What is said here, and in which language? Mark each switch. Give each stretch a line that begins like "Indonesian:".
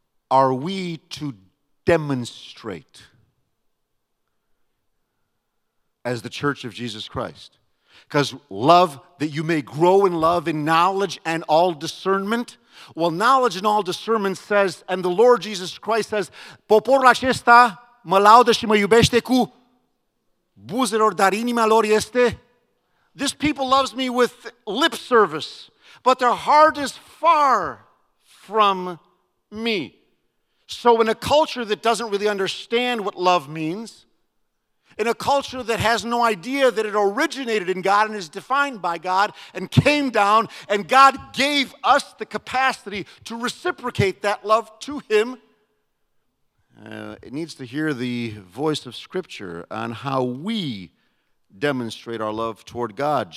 English: Are we to demonstrate, as the church of Jesus Christ? Because love, that you may grow in love, in knowledge and all discernment. Well, knowledge and all discernment says, and the Lord Jesus Christ says,
Romanian: poporul acesta mă laudă și mă iubește cu buzelor, dar inima lor este.
English: This people loves me with lip service, but their heart is far from me. So in a culture that doesn't really understand what love means, in a culture that has no idea that it originated in God and is defined by God and came down and God gave us the capacity to reciprocate that love to him, it needs to hear the voice of Scripture on how we demonstrate our love toward God.